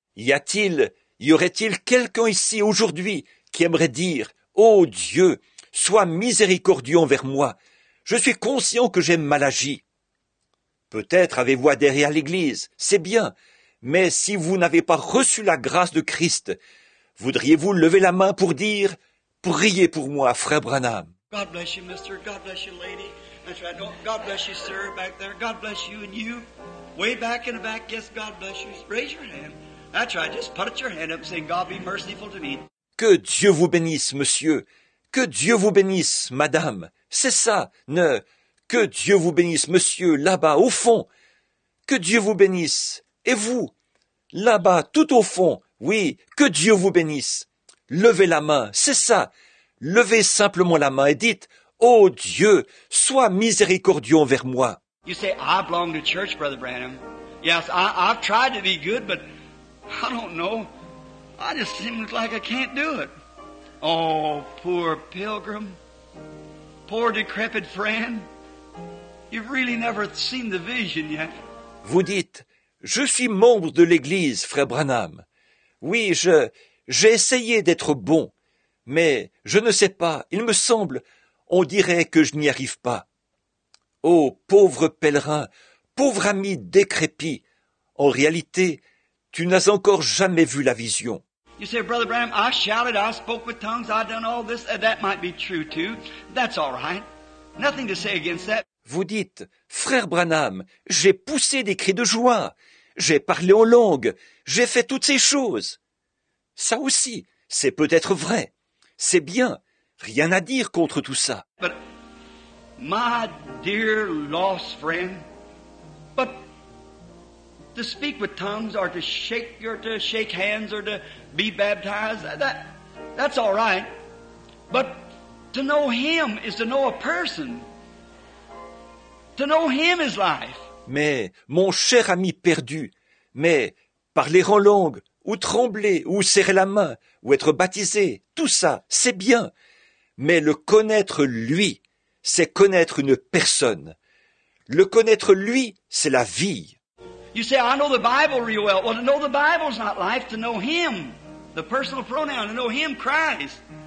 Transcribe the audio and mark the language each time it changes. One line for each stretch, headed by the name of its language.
French: Y aurait-il quelqu'un ici aujourd'hui qui aimerait dire, « Oh Dieu, sois miséricordieux envers moi. Je suis conscient que j'ai mal agi. » Peut-être avez-vous adhéré à l'Église, c'est bien. Mais si vous n'avez pas reçu la grâce de Christ, voudriez-vous lever la main pour dire, « Priez pour moi, frère Branham. »
English: God bless you, mister. God bless you, lady. That's right. Oh, God bless you, sir, back there. God bless you and you. Way back in the back, yes, God bless you. Raise your hand. That's right. Just put your hand up and say, God be merciful to me.
French: Que Dieu vous bénisse, monsieur. Que Dieu vous bénisse, madame. C'est ça. Ne. Que Dieu vous bénisse, monsieur, là-bas, au fond. Que Dieu vous bénisse. Et vous, là-bas, tout au fond. Oui, que Dieu vous bénisse. Levez la main. C'est ça. Levez simplement la main et dites, « Oh Dieu, sois miséricordieux envers moi. »
English: You say, « I belong to church, Brother Branham. Yes, I've tried to be good, but I don't know. I just seem like I can't do it. Oh, poor pilgrim. Poor decrepit friend. You've really never seen the vision yet. »
French: Vous dites, « Je suis membre de l'Église, frère Branham. Oui, j'ai essayé d'être bon. Mais je ne sais pas, il me semble, on dirait que je n'y arrive pas. Oh, pauvre pèlerin, pauvre ami décrépit, en réalité, tu n'as encore jamais vu la vision.
English: You say, Brother Branham, I shouted, I spoke with tongues, I done all this, that might be true too. That's all right. Nothing to say against that.
French: Vous dites, frère Branham, j'ai poussé des cris de joie, j'ai parlé en langue, j'ai fait toutes ces choses. Ça aussi, c'est peut-être vrai. C'est bien, rien à dire contre tout ça.
English: But my dear lost friend, but to speak with tongues or to shake hands or to be baptized, that's all right. But to know him is to know a person. To know him is life.
French: Mais mon cher ami perdu, mais parler en langue ou trembler ou serrer la main ou être baptisé, tout ça, c'est bien. Mais le connaître lui, c'est connaître une personne. Le connaître lui, c'est la vie.
English: You say, I know the Bible real well. Well, to know the Bible is not life, to know him, the personal pronoun, to know him, Christ.